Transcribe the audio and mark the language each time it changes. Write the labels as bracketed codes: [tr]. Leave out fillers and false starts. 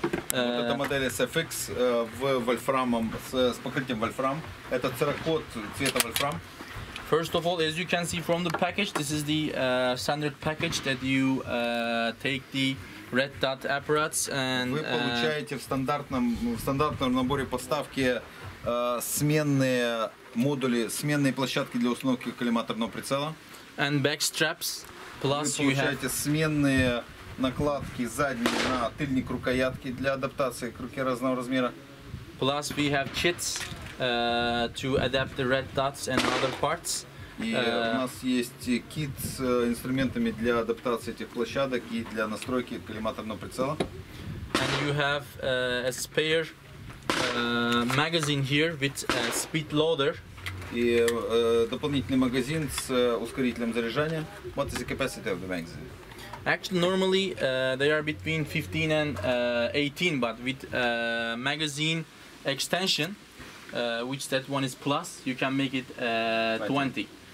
[ru] Вот эта модель SFX с покрытием вольфрам. Это циркод цвета вольфрам. [en] First of all, as you can see from the package, this is the standard package that you take the red dot apparatus and. [ru] Вы получаете в стандартном наборе поставки сменные модули, сменные площадки для установки коллиматорного прицела. [en] And back straps plus you have. [ru] Вы получаете сменные накладки задние на тыльник рукоятки для адаптации к руке разного размера. [en] Plus we have kits to adapt the red dots and other parts. [ru] И у нас есть кит с инструментами для адаптации этих площадок и для настройки коллиматорного прицела. [en] And you have a spare magazine here with a speed loader. [ru] и дополнительный магазин с ускорителем заряжания. [en] What is the capacity of the magazine? Actually, normally they are between 15 and 18, but with magazine extension, which that one is plus, you can make it 20.